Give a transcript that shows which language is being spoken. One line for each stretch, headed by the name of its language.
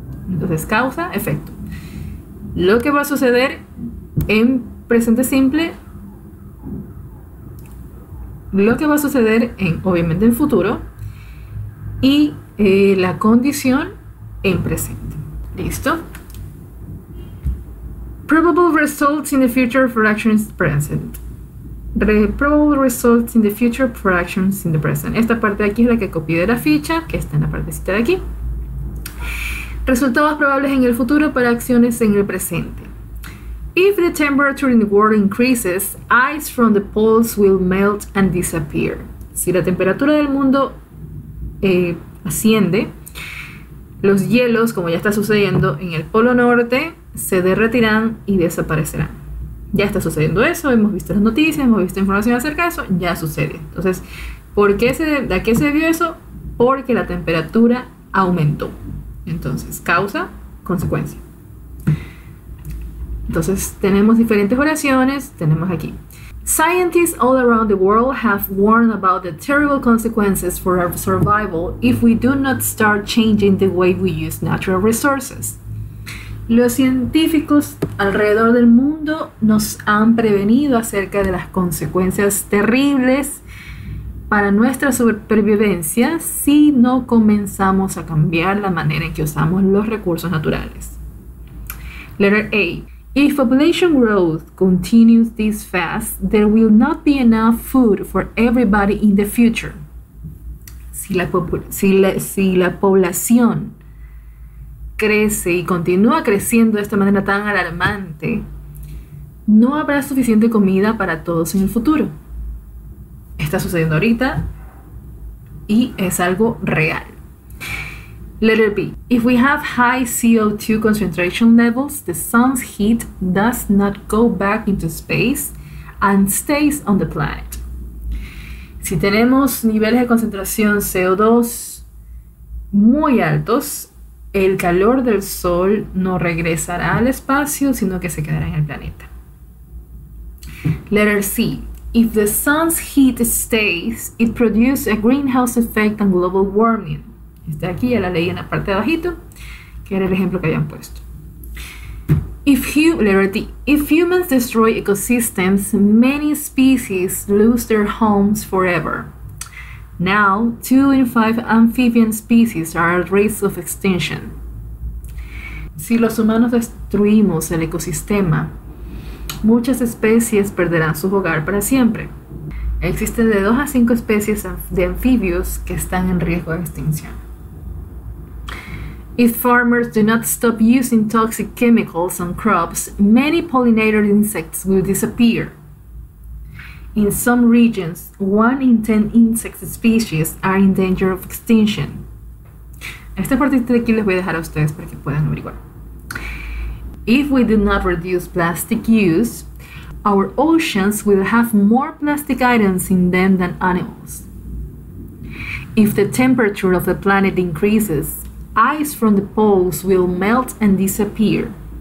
Spanish: Entonces, causa, efecto. Lo que va a suceder en presente simple, lo que va a suceder en, obviamente, en futuro, y la condición en presente. ¿Listo?
English: Probable results in the future for actions present. Probable results in the future for actions in the present.
Spanish: Esta parte de aquí es la que copié de la ficha, que está en la partecita de aquí. Resultados probables en el futuro para acciones en el presente.
English: If the temperature in the world increases, ice from the poles will melt and disappear.
Spanish: Si la temperatura del mundo asciende, los hielos, como ya está sucediendo en el Polo Norte, se derretirán y desaparecerán. Ya está sucediendo eso, hemos visto las noticias, hemos visto información acerca de eso, ya sucede. Entonces, ¿a qué se debió eso? Porque la temperatura aumentó. Entonces, causa, consecuencia. Entonces, tenemos diferentes oraciones, tenemos aquí.
English: Scientists all around the world have warned about the terrible consequences for our survival if we do not start changing the way we use natural resources.
Spanish: Los científicos alrededor del mundo nos han prevenido acerca de las consecuencias terribles para nuestra supervivencia si no comenzamos a cambiar la manera en que usamos los recursos naturales.
English: Letter A. If population growth continues this fast, there will not be enough food for everybody in the future.
Spanish: Si la población crece y continúa creciendo de esta manera tan alarmante, no habrá suficiente comida para todos en el futuro. Está sucediendo ahorita y es algo real.
English: Letter B. If we have high CO2 concentration levels, the sun's heat does not go back into space and stays on the planet.
Spanish: Si tenemos niveles de concentración CO2 muy altos, el calor del sol no regresará al espacio, sino que se quedará en el planeta.
English: Letter C. If the sun's heat stays, it produces a greenhouse effect and global warming.
Spanish: Este aquí ya la leí en la parte de abajito, que era el ejemplo que habían puesto.
English: If humans destroy ecosystems, many species lose their homes forever. Now, 2 in 5 amphibian species are at risk of extinction.
Spanish: Si los humanos destruimos el ecosistema, muchas especies perderán su hogar para siempre. Existen de 2 a 5 especies de anfibios que están en riesgo de extinción.
English: If farmers do not stop using toxic chemicals on crops, many pollinator insects will disappear. In some regions, one in 10 insect species are in danger of extinction.
Spanish: Esta parte de aquí les voy a dejar a ustedes para que puedan averiguar.
English: If we do not reduce plastic use, our oceans will have more plastic items in them than animals. If the temperature of the planet increases, ice from the poles will melt and disappear.